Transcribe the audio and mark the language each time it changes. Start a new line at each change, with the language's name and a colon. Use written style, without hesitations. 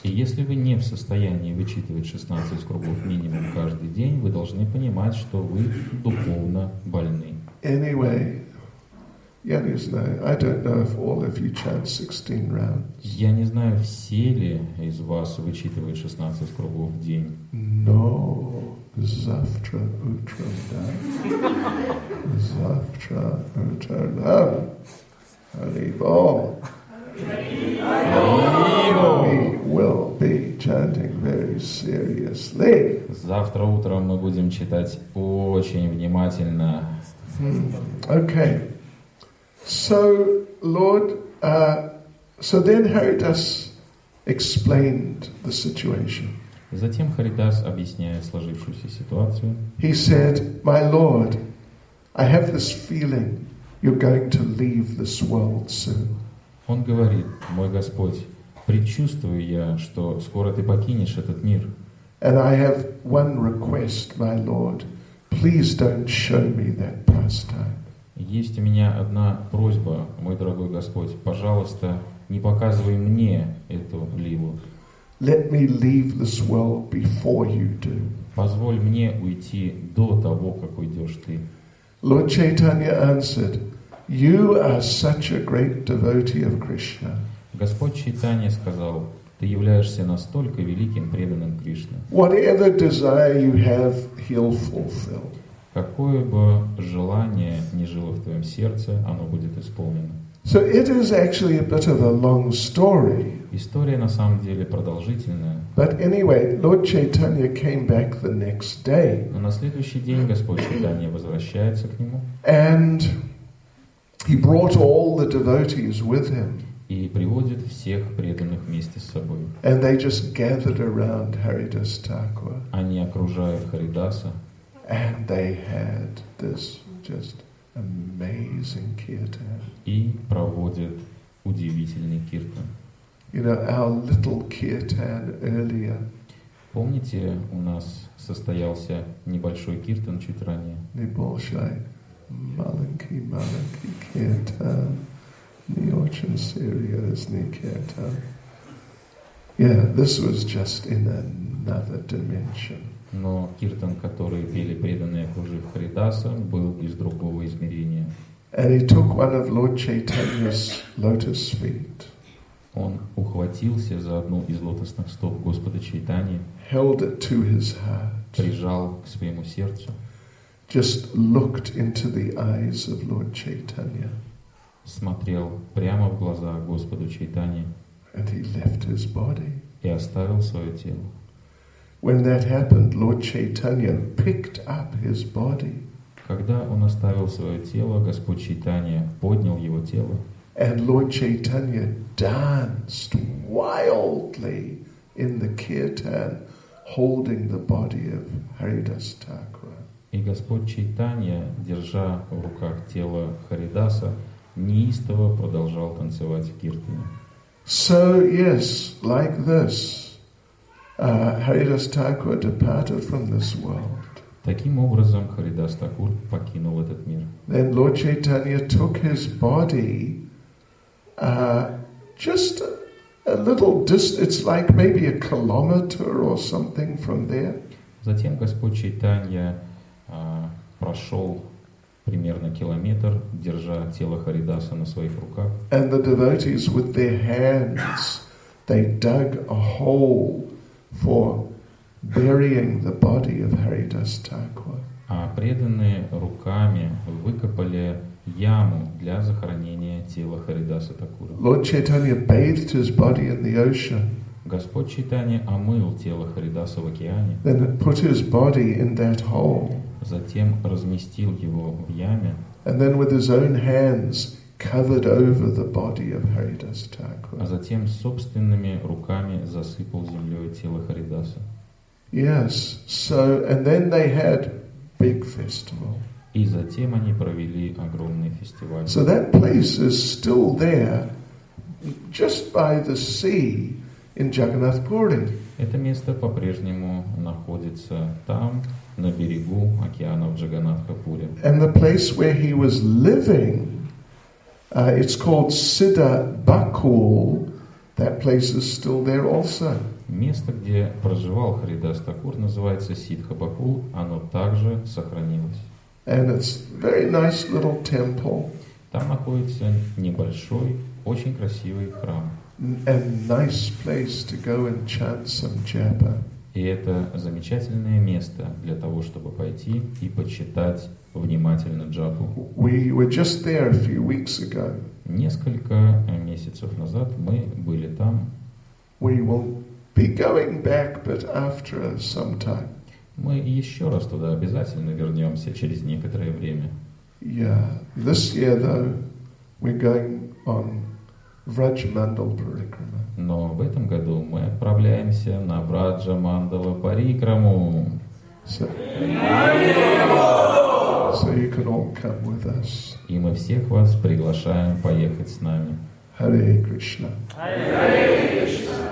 Russian: И если вы не в состоянии вычитывать 16 кругов минимум каждый день, вы должны понимать, что вы духовно больны.
English: Anyway,
Russian: я не знаю.
English: I don't know if all of you chant 16 rounds.
Russian: Я не знаю, все ли из вас вычитывают 16 кругов в день.
English: No,
Russian: завтра утром, да. Завтра утром, да. Харибол.
English: We will be chanting very seriously.
Russian: Завтра утром мы будем читать очень внимательно.
English: Okay. So, Lord, so then Haridas explained the situation.
Russian: Затем Харидас объясняет сложившуюся ситуацию.
English: He said, "My Lord, I have this feeling you're going to leave this world soon."
Russian: Он говорит: "Мой Господь, предчувствую я, что скоро ты покинешь этот мир."
English: And I have one request, my Lord. Please don't show me that pastime.
Russian: Есть у меня одна просьба, мой дорогой Господь. Пожалуйста, не показывай мне эту ливу.
English: Let me leave this world before you do.
Russian: Позволь мне уйти до того, как уйдешь ты.
English: Lord Chaitanya answered, "You are such a great devotee of Krishna."
Russian: Господь Чайтанья сказал: "Ты являешься настолько великим преданным Кришны."
English: Whatever desire you have, he'll fulfill.
Russian: Какое бы желание ни жило в твоем сердце, оно будет исполнено.
English: So it is actually a bit of a long story.
Russian: История на самом деле продолжительная.
English: But anyway, Lord Chaitanya came back the next day.
Russian: Но на следующий день Господь Чайтанья возвращается к нему.
English: And he brought all the devotees with him.
Russian: И приводит всех преданных вместе с собой.
English: And they just gathered around Haridas Thakur.
Russian: Они окружают Харидаса.
English: And they had this just amazing kirtan.
Russian: И проводят удивительный киртан.
English: You know, our little kirtan earlier.
Russian: Помните, у нас состоялся небольшой киртан чуть ранее. Небольшой. Маленький, маленький киртан. Не очень серьезный киртан.
English: Yeah, this was just in another dimension.
Russian: Но киртан, который пели преданные окружив Харидаса, был из другого измерения.
English: And he took one of Lord Chaitanya's lotus feet.
Russian: Он ухватился за одну из лотосных стоп Господа Чайтаньи.
English: Held it to his heart.
Russian: Прижал к своему сердцу.
English: Just looked into the eyes of Lord Chaitanya.
Russian: смотрел прямо в глаза Господу Чайтанье.
English: And he left his body.
Russian: И оставил свое тело.
English: When that happened, Lord Chaitanya picked up his body.
Russian: Когда он оставил свое тело, Господь Чайтанья поднял его тело.
English: And Lord Chaitanya danced wildly in the kirtan, holding the body of Haridas Thakur.
Russian: И Господь Чайтанья, держа в руках тело Харидаса, неистово продолжал танцевать в киртане.
English: So yes, like this, Haridas Thakur departed from this world.
Russian: Таким образом, Харидас Такур покинул этот мир.
English: Then Lord Chaitanya took his body, just a little distance—it's like maybe a kilometer or something from there.
Russian: Затем Господь Чайтанья прошел примерно километр, держа тело Харидаса на своих руках.
English: And the devotees with their hands, they dug a hole for burying the body of Haridas Thakur.
Russian: А преданные руками выкопали яму для захоронения тела Харидаса Такура.
English: Lord Chaitanya bathed his body in the ocean.
Russian: Господь Чайтанья омыл тело Харидаса в океане.
English: Then put his body in that hole.
Russian: Затем разместил его в яме.
English: And then with his own hands covered over the body of Haridas Thakur.
Russian: А затем собственными руками засыпал землей тело Харидаса.
English: Yes. So and then they had big festival.
Russian: И затем они провели огромный фестиваль.
English: So that place is still there, just by the sea in Jagannath Puri.
Russian: Это место по-прежнему находится там, на берегу океана в Джаганатхапуре.
English: And the place where he was living, it's called Siddha Bakul. That place is still there also.
Russian: Место, где проживал Харидас Такур, называется Сиддха-Бакул. Оно также сохранилось.
English: And it's very nice little temple.
Russian: Там находится небольшой, очень красивый храм.
English: And nice place to go and chant some japa.
Russian: И это замечательное место для того, чтобы пойти и почитать внимательно джапу.
English: We were just there a few weeks ago.
Russian: Несколько месяцев назад мы были там.
English: We will be going back, but after some time.
Russian: Мы еще раз туда обязательно вернемся через некоторое время.
English: Yeah, this year though, we're going on Vraj Mandal Parikrama.
Russian: Но в этом году мы отправляемся на Враджа Мандала Парикраму.
English: So you can all come with us.
Russian: И мы всех вас приглашаем поехать с нами.
English: Hare Krishna. Hare Krishna.